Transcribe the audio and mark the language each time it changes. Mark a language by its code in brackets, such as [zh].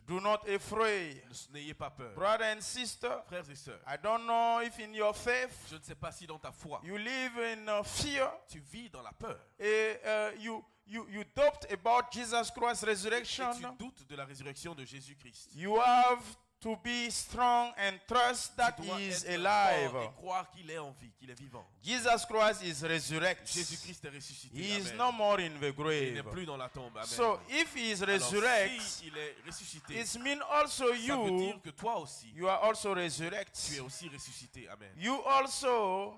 [en] Do not afraid. [fr] N'ayez pas peur. [en] Brothers and sisters. [fr] Frères et sœurs. [en] I don't know if in your faith. [fr] Je ne sais pas si dans ta foi. [en] You live in fear. [fr] Tu vis dans la peur. [en] Et you doubt about Jesus Christ's resurrection. [fr] Et tu doutes de la résurrection de Jésus Christ. [en] You have to be strong and trust that he is alive. [fr] Et croire qu'il est en vie, qu'il est vivant. [en] Jesus Christ is resurrected. [fr] Jésus-Christ est ressuscité. [en] He is no more in the grave. [fr] Il n'est plus dans la tombe. Amen. [en] So if he is resurrected, [fr] alors, si il est ressuscité, [en] it means also you. [fr] Ça veut dire que toi aussi, [en] you are also resurrected. [fr] Tu es aussi ressuscité. Amen. [en] You also.